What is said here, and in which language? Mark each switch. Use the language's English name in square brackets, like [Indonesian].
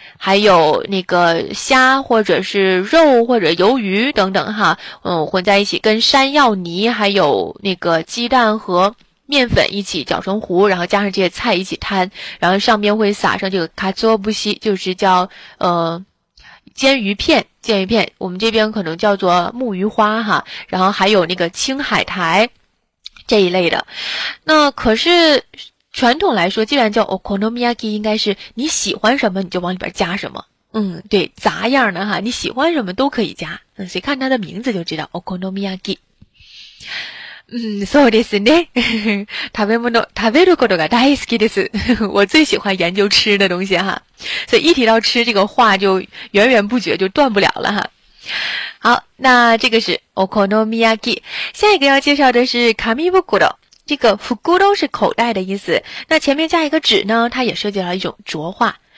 [Chinese] 还有那个虾或者是肉或者鱿鱼等等哈，混在一起跟山药泥还有那个鸡蛋和面粉一起搅成糊，然后加上这些菜一起摊，然后上面会撒上这个卡佐布西，就是叫煎鱼片，煎鱼片我们这边可能叫做木鱼花哈，然后还有那个青海苔这一类的。那可是传统来说，既然叫 okonomiyaki， 应该是你喜欢什么你就往里边加什么。嗯，对，杂样的哈，你喜欢什么都可以加。嗯，谁看它的名字就知道 okonomiyaki。 [Japanese] 嗯，そうですね。食べることが大好きです。 [Chinese] 我最喜欢研究吃的东西哈，所以一提到吃这个话就源源不绝，就断不了了哈。好，那这个是 okonomiyaki。下一个要介绍的是 kamibukuro。这个 fukuro 是口袋的意思，那前面加一个纸呢，它也涉及到一种浊化。